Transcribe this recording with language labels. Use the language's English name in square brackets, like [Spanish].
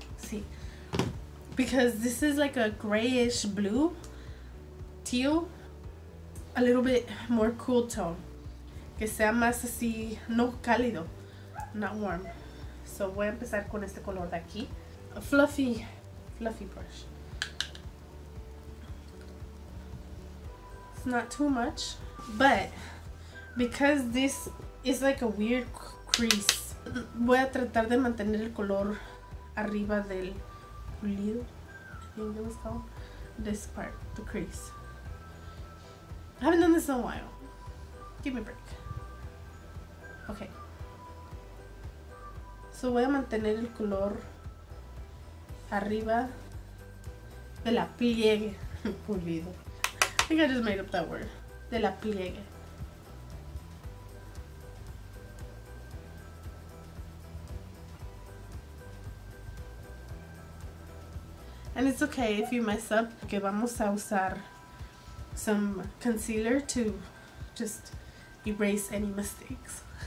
[English] Sí, because this is like a grayish blue, teal, a little bit more cool tone. [Spanish] Que sea más así, no cálido, [English] not warm. [Spanish] So voy a empezar con este color de aquí. [English] A fluffy brush. It's not too much, but because this is like a weird crease, [Spanish] voy a tratar de mantener el color arriba del pulido. [English] I think it was called this part, the crease. I haven't done this in a while. Give me a break. Okay. [Spanish] So voy a mantener el color arriba de la pliegue. Pulido. [English] I think I just made up that word. [Spanish] De la pliegue. [English] And it's okay if you mess up. [Spanish] Que vamos a usar [English] some concealer to just erase any mistakes.